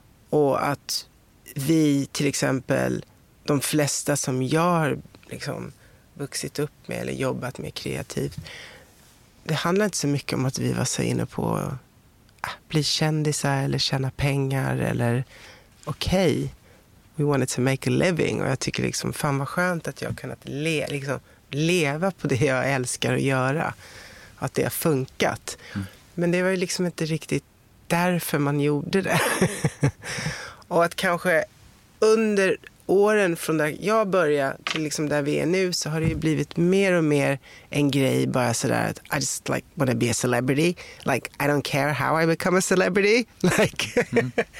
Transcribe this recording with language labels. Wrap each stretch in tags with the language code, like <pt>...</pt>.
<sv>Och att vi till exempel, de flesta som jag har liksom vuxit upp med eller jobbat med kreativt, det handlar inte så mycket om att vi var så inne på att bli kändisar eller tjäna pengar eller okej.</sv> <en>Okay, we wanted to make a living.</en> <sv>Och jag tycker liksom, fan vad skönt att jag har kunnat leva på det jag älskar att göra. Att det har funkat. Mm. Men det var ju liksom inte riktigt därför man gjorde det. Och att kanske under åren från där jag började till liksom där vi är nu, så har det ju blivit mer och mer en grej bara sådär att</sv> <en>I just like wanna be a celebrity, like I don't care how I become a celebrity, like mm.</en>